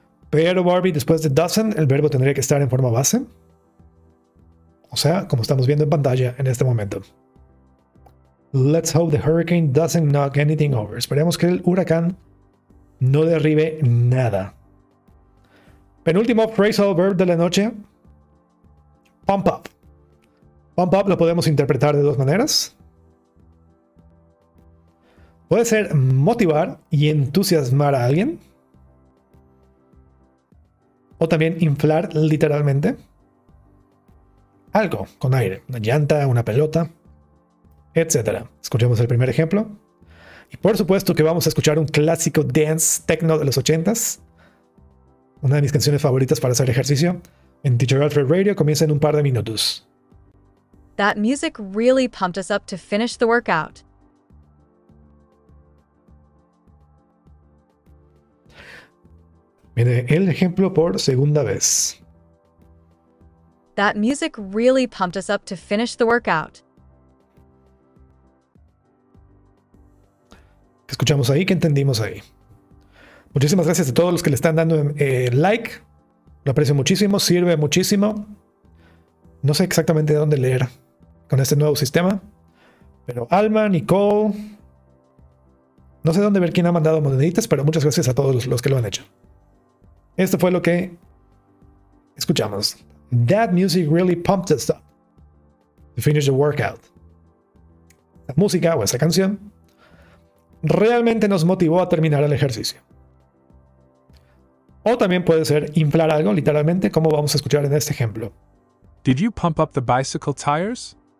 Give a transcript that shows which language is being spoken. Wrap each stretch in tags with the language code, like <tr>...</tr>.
<es>Pero Barbie, después de doesn't, el verbo tendría que estar en forma base. O sea, como estamos viendo en pantalla en este momento.</es> <en>Let's hope the hurricane doesn't knock anything over.</en> <es>Esperemos que el huracán no derribe nada. Penúltimo phrasal verb de la noche, pump up. Pump up lo podemos interpretar de dos maneras. Puede ser motivar y entusiasmar a alguien. O también inflar literalmente algo con aire, una llanta, una pelota, etc. Escuchemos el primer ejemplo. Y por supuesto que vamos a escuchar un clásico dance techno de los 80s. Una de mis canciones favoritas para hacer ejercicio en Teacher Alfred Radio comienza en un par de minutos.</es> <en>That music really pumped us up to finish the workout.</en> <es>Viene el ejemplo por segunda vez.</es> <en>That music really pumped us up to finish the workout.</en> <es>¿Qué escuchamos ahí? ¿Qué entendimos ahí? Muchísimas gracias a todos los que le están dando like. Lo aprecio muchísimo, sirve muchísimo. No sé exactamente de dónde leer con este nuevo sistema. Pero Alma, Nicole, no sé dónde ver quién ha mandado moneditas, pero muchas gracias a todos los que lo han hecho. Esto fue lo que escuchamos.</es> <en>That music really pumped us up to finish the workout.</en> <es>La música o esa canción realmente nos motivó a terminar el ejercicio. O también puede ser inflar algo, literalmente, como vamos a escuchar en este ejemplo.</es> <en>Did you pump up the bicycle tires?</en>